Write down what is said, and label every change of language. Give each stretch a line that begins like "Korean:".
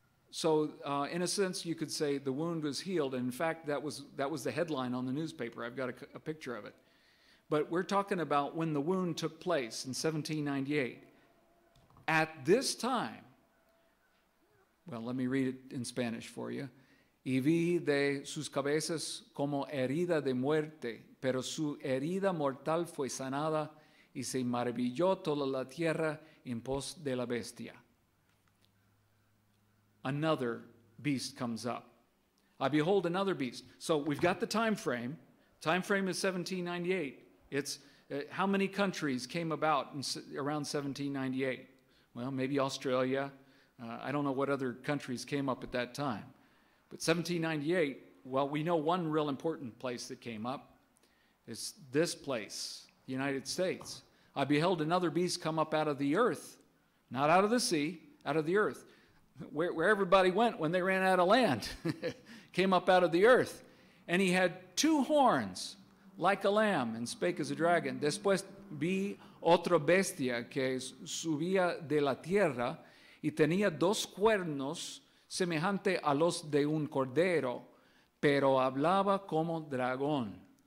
English: So, in a sense, you could say the wound was healed. And in fact, that was the headline on the newspaper. I've got a picture of it. But we're talking about when the wound took place in 1798. At this time, well, let me read it in Spanish for you.
Spanish: Y vi de sus cabezas como herida de muerte, pero su herida mortal fue sanada y se maravilló toda la tierra en pos de la bestia.
English: Another beast comes up. I behold another beast. So we've got the time frame. Time frame is 1798. It's how many countries came about around 1798? Well, maybe Australia. I don't know what other countries came up at that time. But 1798, well, we know one real important place that came up. It's this place, the United States. I beheld another beast come up out of the earth, not out of the sea, out of the earth. Where everybody went when they ran out of land, came up out of the earth. And he had two horns, like a lamb, and spake as a dragon.
Spanish: Después vi otra bestia que subía de la tierra, y tenía dos cuernos semejante a los de un cordero, pero hablaba como dragón.